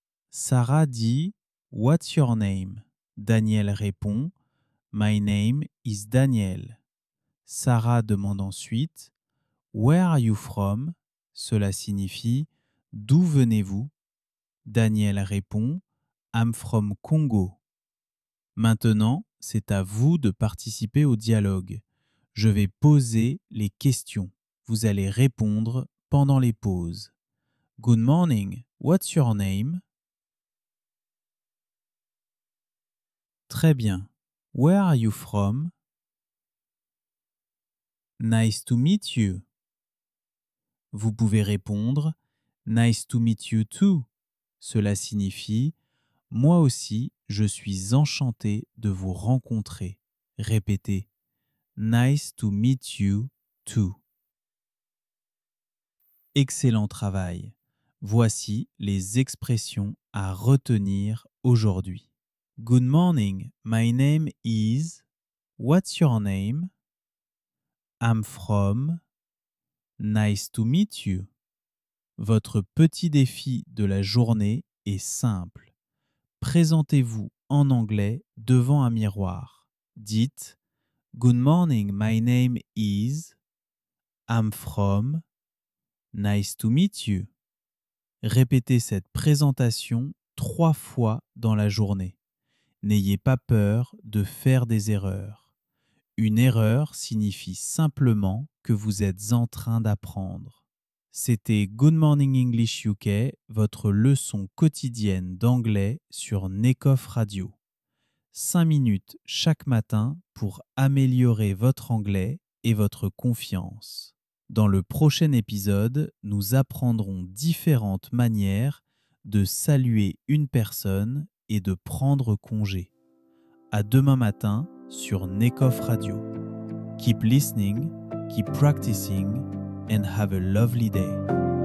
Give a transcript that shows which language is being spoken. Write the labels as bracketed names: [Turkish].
[French] Sarah dit « [English] What's your name? [French] » Daniel répond « [English] My name is Daniel. [French] » Sarah demande ensuite « [English] Where are you from? [French] » Cela signifie « D'où venez-vous? » Daniel répond « [English] I'm from Congo. [French] » Maintenant, c'est à vous de participer au dialogue. Je vais poser les questions. Vous allez répondre pendant les pauses. [English] Good morning, what's your name? [French] Très bien. [English] Where are you from? Nice to meet you. [French] Vous pouvez répondre [English] Nice to meet you too. [French] Cela signifie Moi aussi. Je suis enchanté de vous rencontrer. Répétez. [English] Nice to meet you too. [French] Excellent travail. Voici les expressions à retenir aujourd'hui. [English] Good morning. My name is. What's your name? I'm from. Nice to meet you. [French] Votre petit défi de la journée est simple. Présentez-vous en anglais devant un miroir. Dites [English] Good morning, my name is, I'm from, nice to meet you. [French] Répétez cette présentation 3 fois dans la journée. N'ayez pas peur de faire des erreurs. Une erreur signifie simplement que vous êtes en train d'apprendre. C'était Good Morning English UK, votre leçon quotidienne d'anglais sur Nekof Radio. 5 minutes chaque matin pour améliorer votre anglais et votre confiance. Dans le prochain épisode, nous apprendrons différentes manières de saluer une personne et de prendre congé. À demain matin sur Nekof Radio. [English] Keep listening, keep practicing, and have a lovely day.